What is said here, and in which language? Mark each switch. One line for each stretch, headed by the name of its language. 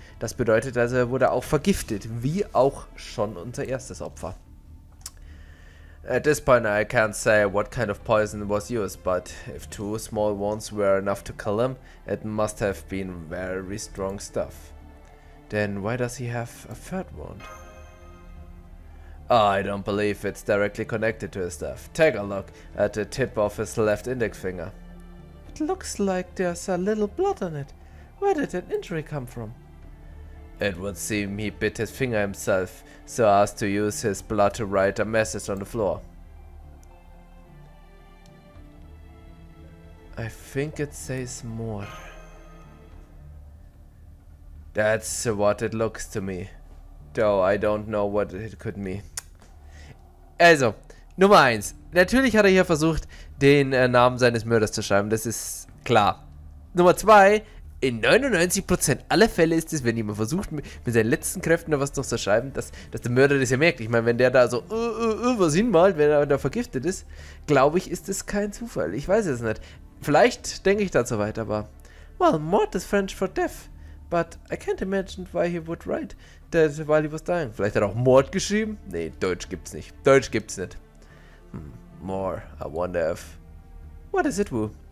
German: Das bedeutet also, er wurde auch vergiftet, wie auch schon unser erstes Opfer.
English: At this point I can't say what kind of poison was used, but if 2 small wounds were enough to kill him, it must have been very strong stuff. Then why does he have a third wound? I don't believe it's directly connected to his stuff. Take a look at the tip of his left index finger. It looks like there's a little blood on it. Where did that injury come from? It would seem he bit his finger himself, so as to use his blood to write a message on the floor. I think it says more. That's what it looks to me. Though I don't know what it could mean.
German: Also, Nummer 1. Natürlich hat er hier versucht, den Namen seines Mörders zu schreiben. Das ist klar. Nummer 2. In 99% aller Fälle ist es, wenn jemand versucht, mit seinen letzten Kräften noch was noch zu schreiben, dass der Mörder das ja merkt. Ich meine, wenn der da so was hinmalt, wenn er da vergiftet ist, glaube ich, ist das kein Zufall. Ich weiß es nicht. Vielleicht denke ich dazu weiter, aber...
English: Well, Mord is French for death, but I can't imagine why he would write that while he was dying.
German: Vielleicht hat er auch Mord geschrieben? Nee, Deutsch gibt's nicht. Deutsch gibt's nicht.
English: More, I wonder if... What is it, Wu?